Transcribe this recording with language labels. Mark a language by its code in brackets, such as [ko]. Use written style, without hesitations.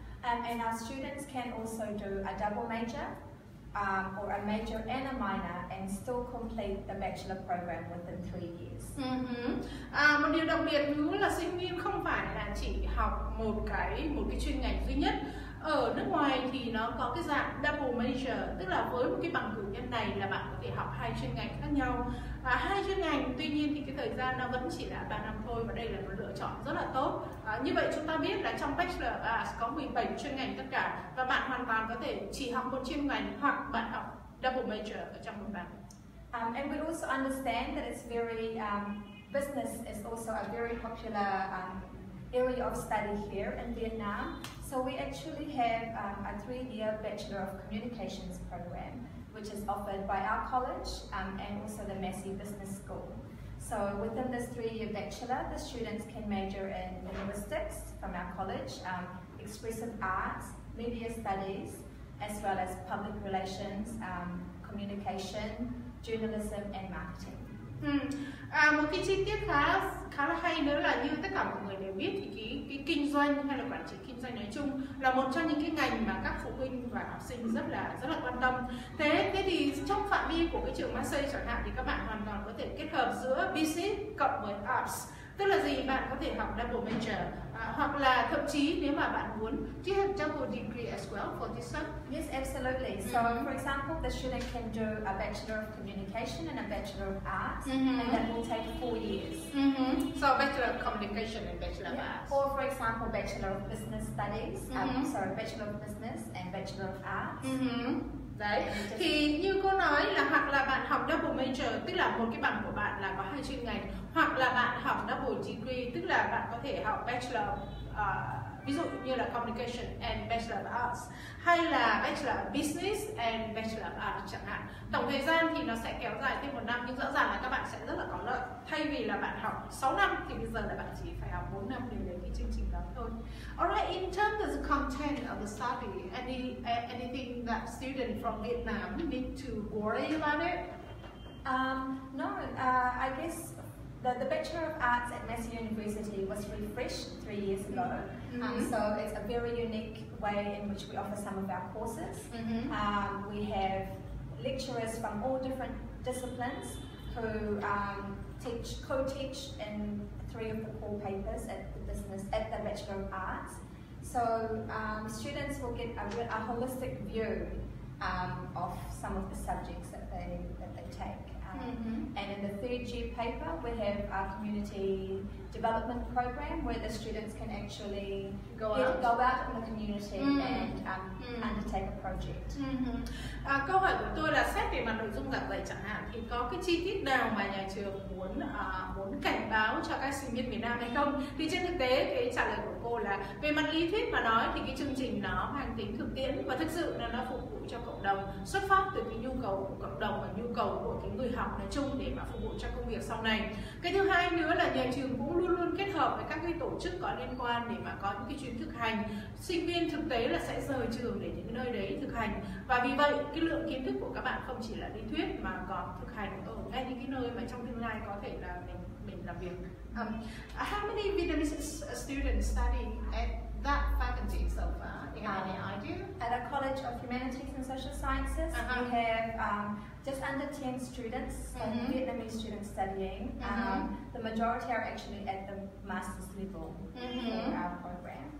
[en] And our students can also do a double major, or a major and a minor, and still complete the bachelor program within 3 years. [vi] Một điều đặc biệt nữa là sinh viên không phải là chỉ học một cái chuyên ngành duy nhất. Ở nước ngoài thì nó có cái dạng double major, tức là với một cái bằng cử nhân này là bạn có thể học hai chuyên ngành khác nhau. Và hai chuyên ngành, tuy nhiên thì cái thời gian nó vẫn chỉ là 3 năm thôi, và đây là một lựa chọn rất là tốt. Như vậy chúng ta biết là trong Bachelor of Arts có 17 chuyên ngành tất cả, và bạn hoàn toàn có thể chỉ học một chuyên ngành hoặc bạn học double major ở trong một bằng. [en] And we also understand that it's very, business is also a very popular area of study here in Vietnam. So we actually have a 3-year Bachelor of Communications program, which is offered by our college and also the Massey Business School. So within this 3-year bachelor, the students can major in linguistics from our college, expressive arts, media studies, as well as public relations, communication, journalism, and marketing. [vi] Một cái chi tiết khá là hay nữa là như tất cả mọi người đều biết thì cái kinh doanh hay là quản trị kinh doanh nói chung là một trong những cái ngành mà các phụ huynh và học sinh rất là quan tâm. Thế thì trong phạm vi của cái trường Massey chẳng hạn thì các bạn hoàn toàn có thể kết hợp giữa business cộng với arts. Tức là gì, bạn có thể học double major hoặc là thậm chí nếu mà bạn muốn kết hợp double degree [en] as well for this one. Yes, absolutely. So for example, the student can do a Bachelor of Communication and a Bachelor of Arts, and that will take 4 years. So Bachelor of Communication and Bachelor of Arts. Or for example, Bachelor of Business Studies. Bachelor of Business and Bachelor of Arts. [vi] Đấy, thì như cô nói là hoặc là bạn học double major, tức là một cái bằng của bạn là có hai chuyên ngành, hoặc là bạn học double degree, tức là bạn có thể học bachelor ví dụ như là communication and bachelor of arts, hay là bachelor of business and bachelor of arts chẳng hạn. Tổng thời gian thì nó sẽ kéo dài thêm 1 năm, nhưng rõ ràng là các bạn sẽ rất là có lợi. Thay vì là bạn học 6 năm thì bây giờ là bạn chỉ phải học 4 năm để lấy cái chương trình đó thôi. [en] Alright, in terms of the content of the study, anything that students from Vietnam need to worry about it? I guess the Bachelor of Arts at Massey University was refreshed 3 years ago. So it's a very unique way in which we offer some of our courses. We have lecturers from all different disciplines who co-teach in 3 of the core papers at the Bachelor of Arts. So students will get a holistic view of some of the subjects that they take. And in the 3rd year paper, we have our community development program where the students can actually go out in the community undertake a project. [vi] Câu hỏi của tôi là xét về mặt nội dung giảng dạy chẳng hạn thì có cái chi tiết nào mà nhà trường muốn cảnh báo cho các sinh viên Việt Nam hay không? Thì trên thực tế cái trả lời của cô là về mặt lý thuyết mà nói thì cái chương trình nó mang tính thực tiễn và thực sự là nó phục vụ cho cộng đồng, xuất phát từ cái nhu cầu của cộng đồng và nhu cầu của cái người học nói chung để mà phục vụ cho công việc sau này. Cái thứ hai nữa là nhà trường cũng luôn luôn kết hợp với các cái tổ chức có liên quan để mà có những cái chuyến thực hành. Sinh viên thực tế là sẽ rời trường để những nơi đấy thực hành, và vì vậy cái lượng kiến thức của các bạn không chỉ là lý thuyết mà còn thực hành ở ngay những cái nơi mà trong tương lai có thể là mình làm việc. [en] How many Vietnamese students study at that faculty so far? At a College of Humanities and Social Sciences, we have just under 10 students, Vietnamese students studying. The majority are actually at the master's level in our program.